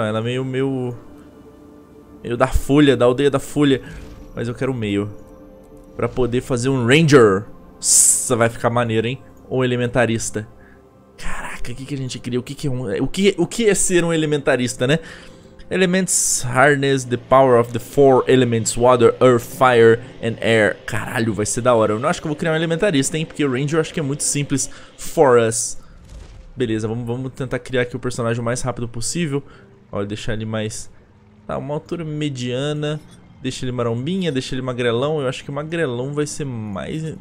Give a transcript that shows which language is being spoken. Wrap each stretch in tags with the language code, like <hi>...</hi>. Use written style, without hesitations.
<pt>Ela é meio da folha, da aldeia da folha. Mas eu quero o meio. Pra poder fazer um Ranger. Nossa, vai ficar maneiro, hein? Ou elementarista. O que que a gente cria? O que é ser um elementarista, né?</pt> <en>Elements harness the power of the four elements: water, earth, fire and air.</en> <pt>Caralho, vai ser da hora. Eu não acho que eu vou criar um elementarista, hein? Porque o Ranger eu acho que é muito simples</pt> <en>for us.</en> <pt>Beleza, vamos tentar criar aqui o personagem o mais rápido possível. Olha, deixar ele mais, tá, uma altura mediana. Deixa ele marombinha, deixa ele magrelão. Eu acho que magrelão vai ser mais.</pt>